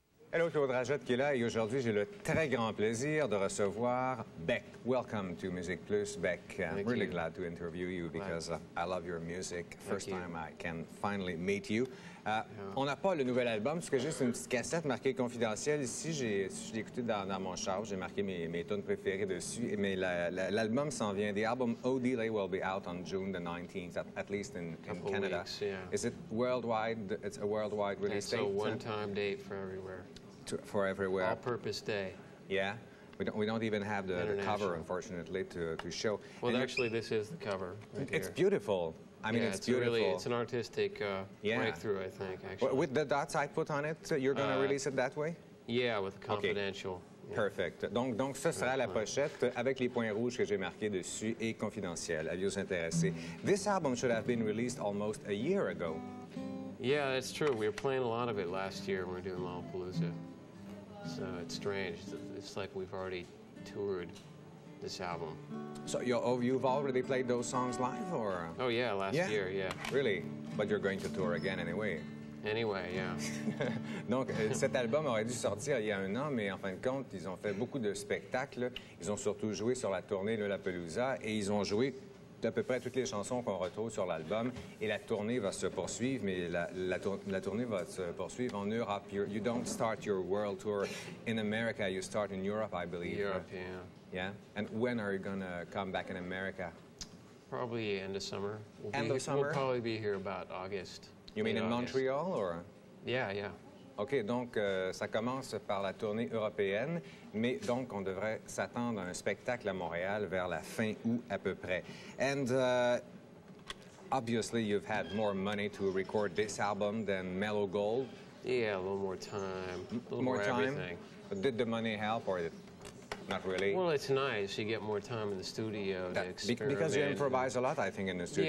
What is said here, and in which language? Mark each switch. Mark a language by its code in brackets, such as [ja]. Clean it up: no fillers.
[fr] Hello, Claude Rajotte qui est là, et aujourd'hui, j'ai le très grand plaisir de recevoir Beck. [en] Welcome to Music Plus, Beck. I'm really glad to interview you because I love your music. First time I can finally meet you. [fr] On n'a pas le nouvel album, parce que j'ai juste une petite cassette marquée confidentielle ici. J'ai écouté dans mon char, j'ai marqué mes tunes préférées dessus, mais l'album s'en vient. [en] The album O'Delay will be out on June the 19th, at least in Canada. Weeks, Is it worldwide? It's a worldwide release date? It's a one-time date for everywhere. For everywhere. All-purpose day. Yeah? We don't even have the cover, unfortunately, to show. Well, and actually, this is the cover. Right, it's beautiful. I mean, it's beautiful. Really, it's an artistic breakthrough, I think, actually. With the dots I put on it, you're going to release it that way? Yeah, with Confidential. Okay. Perfect. [fr] Donc, ce sera la pochette avec les points rouges que j'ai marqués dessus et Confidential. Avez-vous intéressé? [en] This album should have been released almost a year ago. Yeah, that's true. We were playing a lot of it last year when we were doing Lollapalooza. So it's strange. It's like we've already toured this album. So you've already played those songs live, or? Oh yeah, last year. Really? But you're going to tour again anyway. Anyway, yeah. [fr] Donc, cet album aurait dû sortir il y a un an, mais en fin de compte, ils ont fait beaucoup de spectacles. Ils ont surtout joué sur la tournée Lollapalooza et ils ont joué d'à peu près toutes les chansons qu'on retrouve sur l'album. Et la tournée va se poursuivre, mais la tournée va se poursuivre en Europe. [en] You don't start your world tour in America, you start in Europe, I believe. Europe, yeah. Yeah? And when are you going to come back in America? Probably end of summer. End of summer? We'll probably be here about August. You mean in August. Montreal, or? Yeah, yeah. [fr] OK, donc ça commence par la tournée européenne, mais donc on devrait s'attendre à un spectacle à Montréal vers la fin août à peu près. [en] And obviously you've had more money to record this album than Mellow Gold. Yeah, a little more time. A little more time. Did the money help or not really? Well, it's nice. You get more time in the studio to experiment. Because you improvise a lot, I think, in the studio.